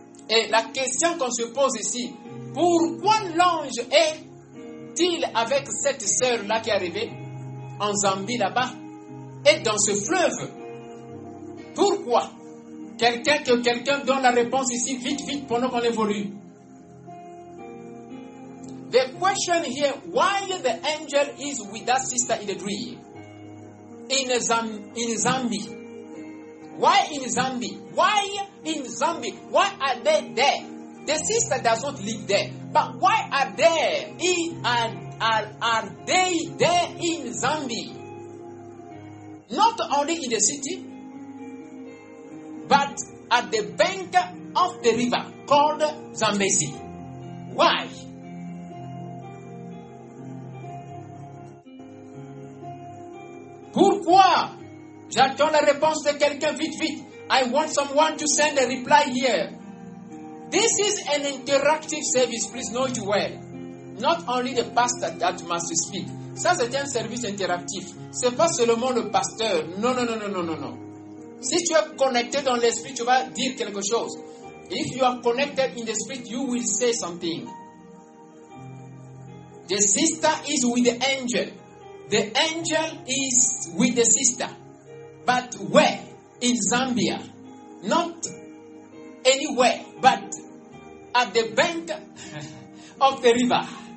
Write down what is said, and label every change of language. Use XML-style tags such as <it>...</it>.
<fr>Et la question qu'on se pose ici, pourquoi l'ange est-il avec cette sœur-là qui est arrivée en Zambie là-bas et dans ce fleuve? Pourquoi? Quelqu'un donne la réponse ici vite, vite, pendant qu'on évolue.</fr> <en>The question here, why the angel is with that sister in the dream? In Zambia. Why in Zambia? Why in Zambia? Why are they there? The sister doesn't live there. But why are they there in Zambia? Not only in the city, but at the bank of the river called Zambezi. Why?</en> <fr>Pourquoi? J'attends la réponse de quelqu'un vite, vite.</fr> <en>I want someone to send a reply here. This is an interactive service. Please know it well. Not only the pastor that must speak.</en> <fr>Ça, c'est un service interactif. Ce n'est pas seulement le pasteur. Non, non, non, non, non, non, non. Si tu es connecté dans l'esprit, tu vas dire quelque chose.</fr> <en>If you are connected in the spirit, you will say something. The sister is with the angel. The angel is with the sister. But where? In Zambia. Not anywhere, but at the bank of the river.</en>